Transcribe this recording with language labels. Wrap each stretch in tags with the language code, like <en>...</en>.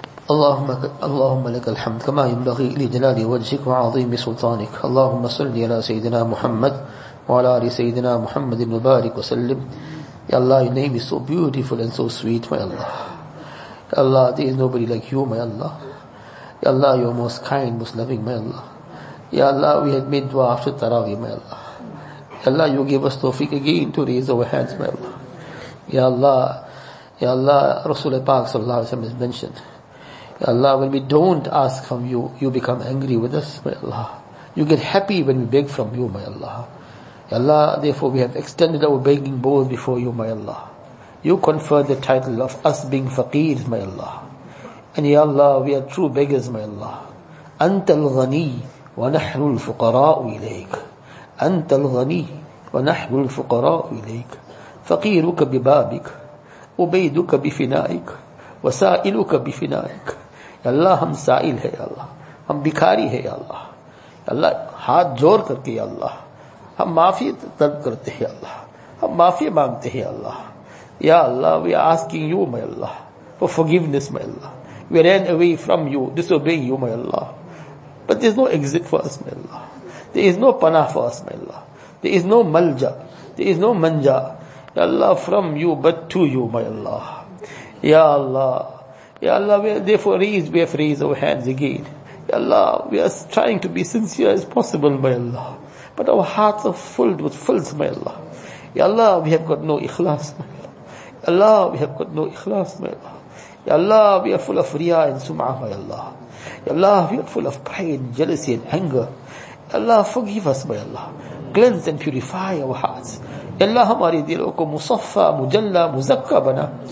<ar>اللهم لك الحمد كما ينبغي لجلال وجهك وعظيم سلطانك. اللهم صل على سيدنا محمد وعلى آل سيدنا محمد المبارك وسلم.</ar> <en>يا الله, your name is so beautiful and so sweet, my Allah. يا الله, there is nobody like you, my Allah. يا الله, you are most kind, most loving, my Allah. يا الله, we had made dua after Tarawih, my Allah. يا الله, you gave us tawfiq again to raise our hands, my Allah. يا الله, يا الله,</en> <ar>رسول الله صلى الله عليه وسلم</ar> <en>has mentioned, Ya Allah, when we don't ask from you, you become angry with us, my Allah. You get happy when we beg from you, my Allah. Ya Allah, therefore we have extended our begging bowl before you, my Allah. You confer the title of us being faqir, my Allah. And Ya Allah, we are true beggars, my Allah.</en> <ar>Anta al-ghani wa nahnu al-fuqara'u ilayk. Anta al-ghani wa nahnu al-fuqara'u ilayk. Faqiruka bibabik. Ubayduka bifinaik. وَسَائِلُكَ بِفِنَائِكَ.</ar> <ur>یا اللہ, ہم سائل ہے یا اللہ, ہم بکھاری ہے یا اللہ. یا اللہ, ہاتھ جوڑ کر کے یا اللہ ہم معافی طلب کرتے ہیں. یا اللہ, ہم معافی مانگتے ہیں. یا اللہ, یا اللہ,</ur> <en>we are asking you, my Allah, for forgiveness, my Allah. We ran away from you, disobeying you, my Allah. But there is no exit for us, my Allah. There is no panah for us, my Allah. There is no malja, there is no manja. یا اللہ, from you but to you, my Allah. Ya Allah, Ya Allah, we have raised our hands again. Ya Allah, we are trying to be sincere as possible, my Allah. But our hearts are filled with filth, my Allah. Ya Allah, we have got no ikhlas, my Allah. Ya Allah, we have got no ikhlas, my Allah. Ya Allah, we are full of riya and sum'ah, my Allah. Ya Allah, we are full of pride, jealousy and anger. Ya Allah, forgive us, my Allah. Cleanse and purify our hearts.</en> <ur>اللہ, ہمارے دلوں کو مصفا مجلا مزکا بنا.</ur>